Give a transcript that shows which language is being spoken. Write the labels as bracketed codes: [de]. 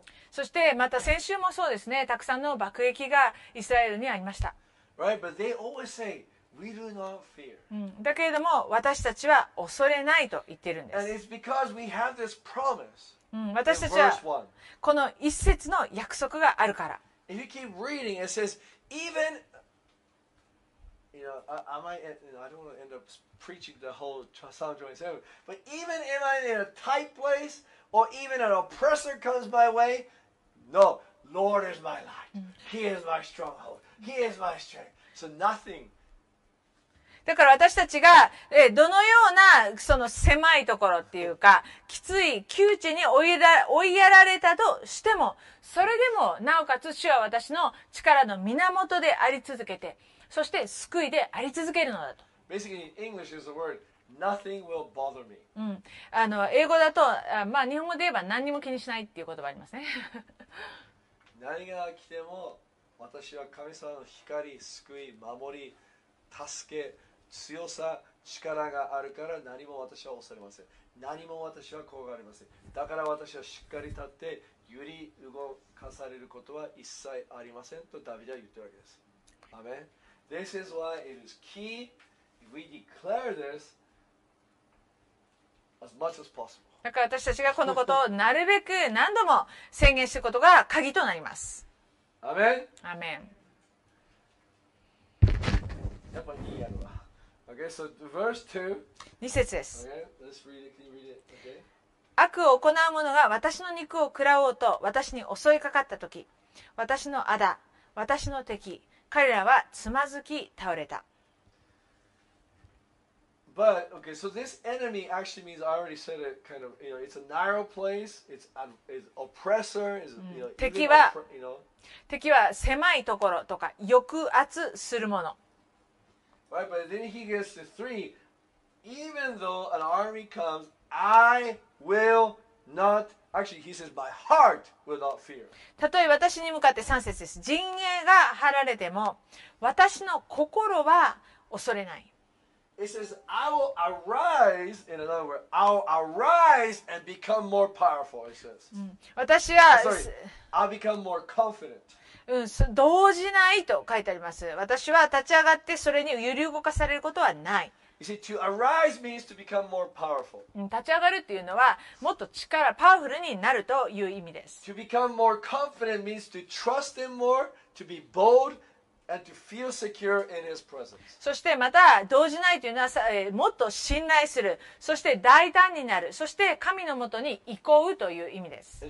[ja] そしてまた先週もそうですね、たくさんの爆撃がイスラエルにありました。 [en] Right, but they always say, we do not fear. [ja] だけれども私たちは恐れないと言ってるんです。 [en] And it's because we have this promise. [ja] 私たちはこの一節の約束があるから。 [en] If you keep reading, it says, evenI don't want to end up preaching the whole Psalm 27, but even if I'm in a tight place or even an oppressor comes my way, no, Lord is my light. He is my stronghold. He is my strength. So nothing. [ja] だから私たちがどのようなその狭いところっていうかきつい窮地に追いやられたとしてもそれでもなおかつ主は私の力の源であり続けてそして救いであり続けるのだと。 [en] Basically, English is the word, nothing will bother me. [ja] 英語だと、まあ日本語で言えば何にも気にしないっていう言葉ありますね。何が来ても私は神様の光、救い、守り、助け、強さ、力があるから何も私は恐れません。何も私は怖がりません。だから私はしっかり立って揺り動かされることは一切ありませんとダビデは言ってるわけです。アメン。 [en] This is why it is key we declare this as much as possible. [ja] だから私たちがこのことをなるべく何度も宣言していくことが鍵となります。アメン。アメン。やっぱいいやろな。 [en] Okay, so verse 2. [ja] 二節です。 [en] Okay, let's read it. Can you read it? Okay. [ja] 悪を行う者が私の肉を食らおうと私に襲いかかったとき、私の仇、私の敵、彼らはつまずき倒れた。 [en] But okay, so this enemy actually means I already said it kind of, you know, it's a narrow place, it's oppressor, is you know, [ja] 敵は狭いところとか抑圧するもの。 [en] Right, but then he gets to three. Even though an army comes, I will not. Actually, he says, my heart will not fear. [ja] たとえ私に向かって3節です。陣営が張られても、私の心は恐れない。 [en] It says, I will arise, in another word, I will arise and become more powerful, it says. [ja] 私は、 [en] sorry, I'll become more confident. [ja] 動じないと書いてあります。私は立ち上がってそれに揺り動かされることはない。 [en] You see, to arise means to become more powerful. [ja] 立ち上がるっていうのはもっと力、パワフルになるという意味です。 [en] To become more confident means to trust him more, to be bold. And to feel secure in his presence. [ja] そしてまた動じないというのはもっと信頼するそして大胆になるそして神のもとに行こうという意味です